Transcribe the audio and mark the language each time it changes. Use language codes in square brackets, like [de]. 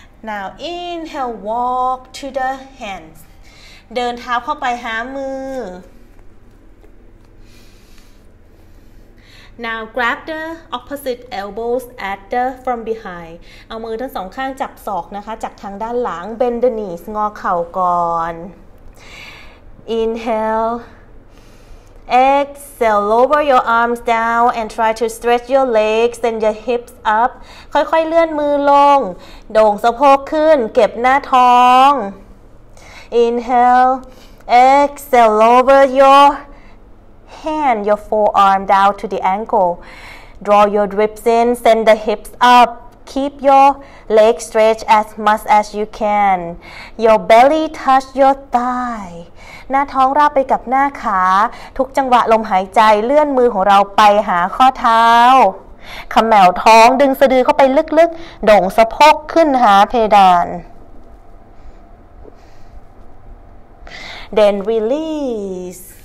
[en] Now inhale walk to the hands [th] เดินเท้าเข้าไปหามือ [en] Now grab the opposite elbows at the from behind [th] เอามือทั้งสองข้างจับศอกนะคะจากทางด้านหลัง [en] Bend the knees [th] งอเข่าก่อน [en] Inhale, exhale, lower your arms down and try to stretch your legs and your hips up. [th] ค่อยๆเลื่อนมือลงโด่งสะโพกขึ้นเก็บหน้าท้อง [en] Inhale, exhale, lower your hand, your forearm down to the ankle. Draw your ribs in, send the hips up. Keep your leg stretch as much as you can. Your belly touch your thigh. [th] หน้าท้องราบไปกับหน้าขาทุกจังหวะลมหายใจเลื่อนมือของเราไปหาข้อเท้าขมแหววท้องดึงสะดือเข้าไปลึกๆโด่งสะโพกขึ้นหาเพดาน [en] Then release.